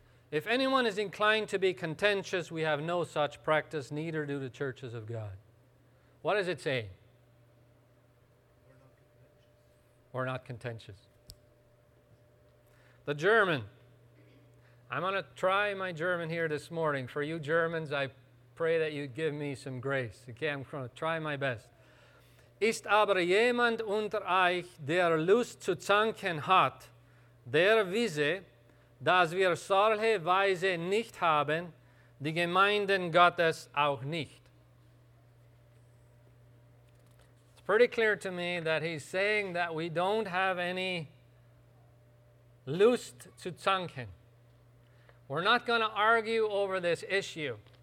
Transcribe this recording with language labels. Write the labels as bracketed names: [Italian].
[English] If anyone is inclined to be contentious, we have no such practice, neither do the churches of God. What does it say? We're not contentious. The German. I'm going to try my German here this morning. For you Germans, I pray that you give me some grace. Okay, I'm going to try my best. [German] Ist aber jemand unter euch, der Lust zu zanken hat, der wisse, dass wir solche Weise nicht haben, die Gemeinden Gottes auch nicht. [English] It's pretty clear to me that he's saying that we don't have any [German] Lust zu zanken. [English] We're not going to argue over this issue.